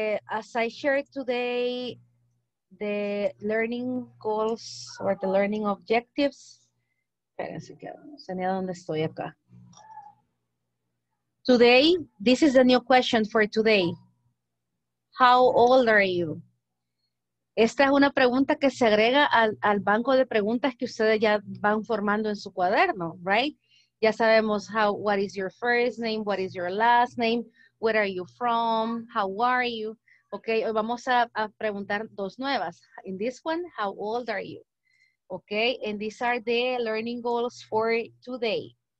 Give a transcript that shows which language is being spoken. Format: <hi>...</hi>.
<en>As I shared today, the learning goals or the learning objectives.</en> <es>Espérense que no sé ni a dónde estoy acá.</es> <en>Today, this is the new question for today. How old are you?</en> <es>Esta es una pregunta que se agrega al banco de preguntas que ustedes ya van formando en su cuaderno,</es> <en>right?</en> <es>Ya sabemos</es> <en>how, what is your first name, what is your last name, where are you from, how are you?</en> <es>Okay, hoy vamos a preguntar dos nuevas.</es> <en>In this one, how old are you? Okay, and these are the learning goals for today.</en>